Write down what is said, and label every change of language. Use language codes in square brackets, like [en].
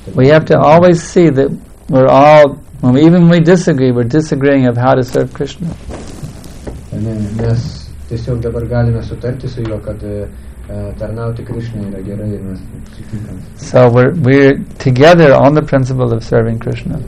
[en] We have to always see that we're all, even when we disagree, we're disagreeing of how to serve Krishna. [lt] Mes tiesiog dabar galime sutarti su juo, kad tarnauti Krishna yra gerai ir mes sutinkame. [en] So we're together on the principle of serving Krishna.